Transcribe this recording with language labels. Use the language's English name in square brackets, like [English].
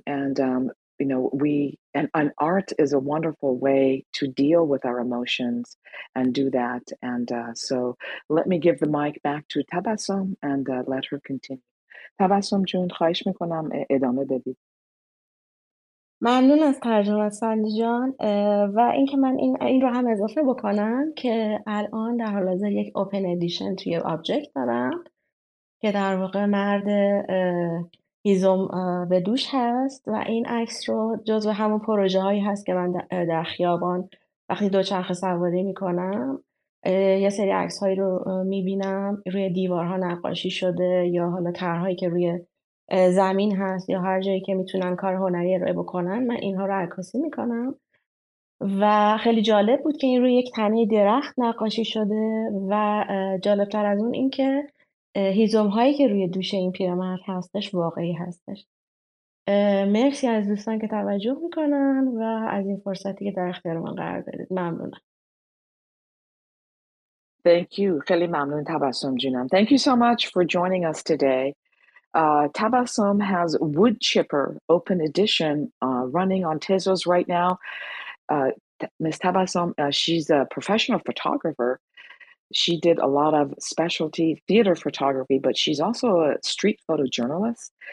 [English] And, art is a wonderful way to deal with our emotions and do that. And so let me give the mic back to Tabasom and let her continue. [Persian] Tabasom Jun, خواهش میکنم ادامه بدید. ممنون از ترجمه سندی جان. و اینکه من این رو هم اضافه بکنم که الان در حال حاضر یک اوپن ادیشن توی آبجکت دارم که در واقع مرد هیزم به دوش هست و این عکس رو جزو همون پروژه هایی هست که من در خیابان وقتی دوچرخه سواری میکنم یه سری عکس هایی رو میبینم روی دیوارها نقاشی شده یا حالا طرحهایی که روی زمین هست یا هر جایی که میتونن کار هنری رو بکنن من اینها رو عکاسی میکنم و خیلی جالب بود که این روی یک تنه درخت نقاشی شده و جالبتر از اون این که هیزم هایی که روی دوش این پیرمرد هستش واقعی هستش. مرسی از دوستان که توجه میکنن و از این فرصتی که در اختیار من قرار دادید. ممنونم. [English] Thank you. [Persian] خیلی ممنون تبسم جونم. [English] Thank you so much for joining us today. Tabasom has Wood Chipper open edition running on Tezos right now. Ms. Tabasom, she's a professional photographer. She did a lot of specialty theater photography, but she's also a street photojournalist.